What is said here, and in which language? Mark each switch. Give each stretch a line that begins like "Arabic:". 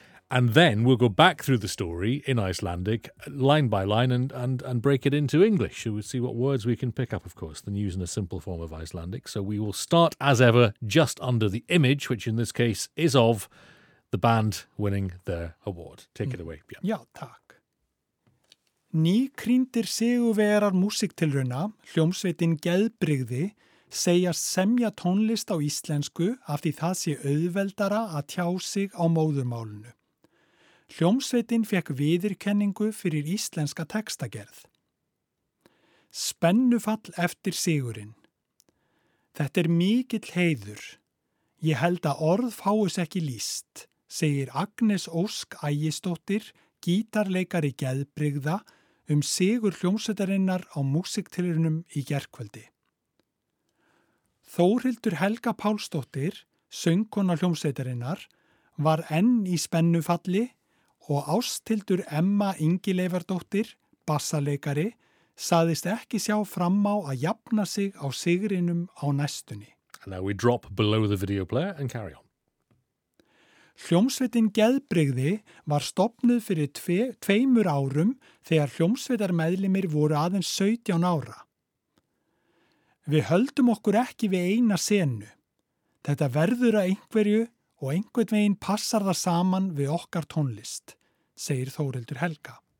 English: And then we'll go back through the story in Icelandic, line by line, and break it into English. So we'll see what words we can pick up, of course, the news in a simple form of Icelandic. So we will start, as ever, just under the image, which in this case is of the band winning their award. Take it away, Björn.
Icelandic: Já, takk. Nýkrýndir sigurverar músiktilrauna, hljómsveitin Gelbrigði, segjast semja tónlist á íslensku af því það sé auðveldara að tjá sig á móðurmálinu. Hljómsveitin fekk viðurkenningu fyrir íslenska textagerð. Spennufall eftir sigurinn. Þetta er mikill heiður. Ég held að orð fáus ekki líst, segir Agnes Ósk Ægisdóttir, gítarleikari Gelbrigða, sigur hljómsveitarinnar á músiktilraunum í gærkvöldi. Þórhildur Helga Pálsdóttir, söngkona hljómsveitarinnar, var enn í spennufalli og Ásthildur Emma Ingileifardóttir, bassaleikari, sagðist ekki sjá fram á að jafna sig á sigrinum á næstunni.
English: And now we drop below the video player and carry on.
Icelandic: Hljómsveitin Gelbrigði var stofnuð fyrir tveimur árum þegar hljómsveitarmeðlimir voru aðeins 17 ára. Við höldum okkur ekki við eina senu. Þetta verður að einhverju og einhvern veginn passar það saman við okkar tónlist, segir Þórhildur Helga.